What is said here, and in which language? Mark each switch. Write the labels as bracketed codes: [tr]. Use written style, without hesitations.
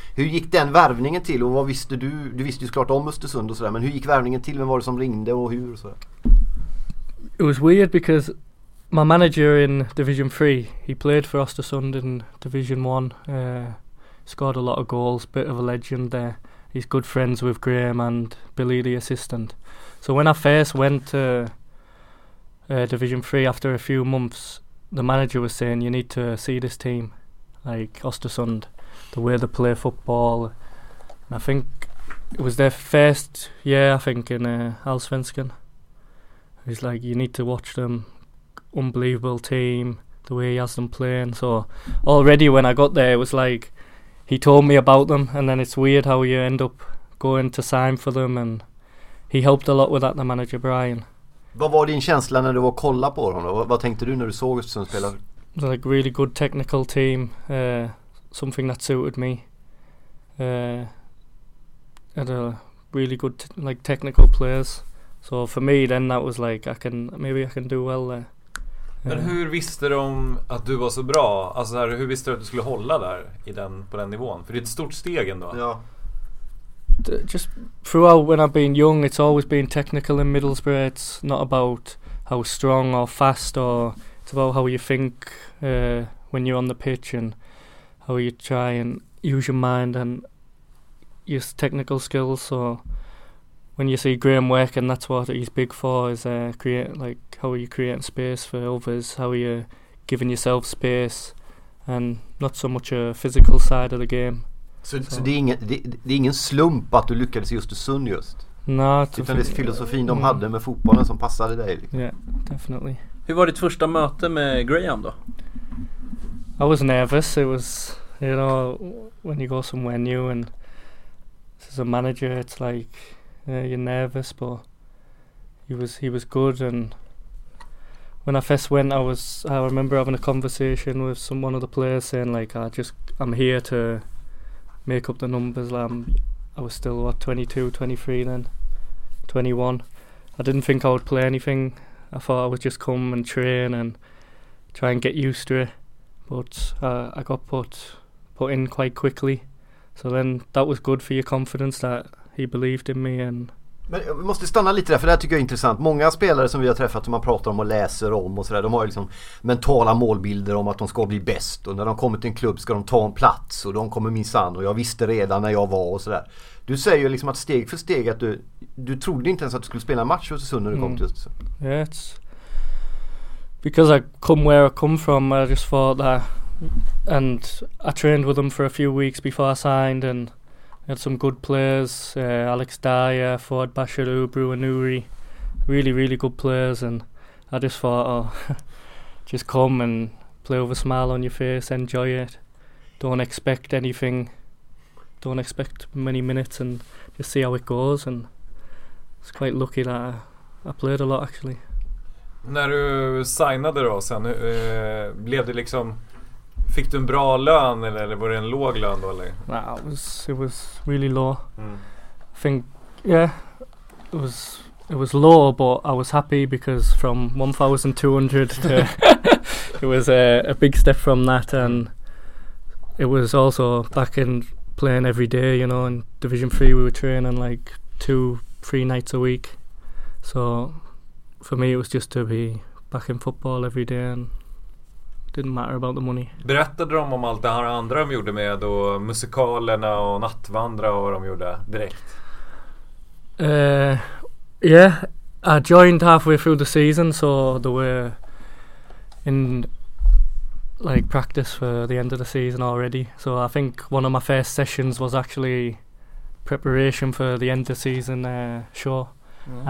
[sv] Hur gick den värvningen till, och vad visste du? Du visste ju såklart om Östersund och sådär, men hur gick värvningen till? Vem var det som ringde och hur och sådär? [en] It was weird because my manager in division 3, he played for Östersund in division 1, scored a lot of goals, bit of a legend there. He's good friends with Graham and Billy, the assistant. So when I first went to Division 3 after a few months, the manager was saying, you need to see this team, like Östersund, the way they play football. And I think it was their first year, I think, in Allsvenskan. He's like, you need to watch them, unbelievable team, the way he has them playing. So already when I got there, it was like, he told me about them, and then it's weird how you end up going to sign for them, and he helped a lot with that, the manager Brian. [sv] Vad var din känsla när du var kolla på honom? Vad tänkte du när du såg Östersund spela? [en] Like really good technical team, something that suited me. Had a really good like technical players. So for me then that was like I can do well there. [sv] Men hur visste de att du var så bra? Alltså här, hur visste du att du skulle hålla där i den, på den nivån? För det är ett stort steg ändå. Ja. [en] Just throughout when I've been young, it's always been technical in Middlesbrough. It's not about how strong or fast, or it's about how you think when you're on the pitch and how you try and use your mind and your technical skills. So when you see Graham working, that's what he's big for, is create, like how are you creating space for others, how are you giving yourself space, and not so much a physical side of the game. [sv] Så det är ingen slump att du lyckades just i Sund just? Nej. Utan det är filosofin de hade med fotbollen som passade dig. [en] Ja, yeah, definitely. [sv] Hur var ditt första möte med Graham då? [en] I was nervous. It was, you know, when you go somewhere new and as a manager it's like you're nervous, but he was good. And when I first went, I remember having a conversation with one of the players saying like, I'm here to make up the numbers. I was still, 22, 23 then, 21. I didn't think I would play anything. I thought I would just come and train and try and get used to it. But I got put in quite quickly. So then that was good for your confidence that he believed in me. And [sv] men vi måste stanna lite där, för det här tycker jag är intressant. Många spelare som vi har träffat, som man pratar om och läser om och så där, de har ju liksom mentala målbilder om att de ska bli bäst, och när de kommer till en klubb ska de ta en plats, och de kommer minsann, och jag visste redan när jag var och så där. Du säger ju liksom att steg för steg, att du trodde inte ens att du skulle spela en match hos Sunne när du kom till oss. [en] Yeah, it's because I come where I come from. I just thought that, and I trained with them for a few weeks before I signed, and had some good players, Alex Dyer, Ford Bashiru, Bruinuri, really, really good players. And I just thought, oh, just come and play with a smile on your face, enjoy it. Don't expect anything, don't expect many minutes, and just see how it goes. And it's quite lucky that I played a lot, actually. [sv] När du signade då sen, blev det liksom Fick du en bra lön eller var det en låg lön då eller? [en] Nah, it was really low. Mm. I think it was low, but I was happy because from 1,200 to it was a big step from that, and it was also back in playing every day, you know, in Division 3 we were training like 2-3 nights a week. So for me it was just to be back in football every day and didn't matter about the money. [sv] Berättade de om allt det här andra de gjorde med då musikalerna och nattvandra och vad de gjorde direkt? [en] Yeah, I joined halfway through the season, so they were in like practice for the end of the season already. So I think one of my first sessions was actually preparation for the end of season show. Mm.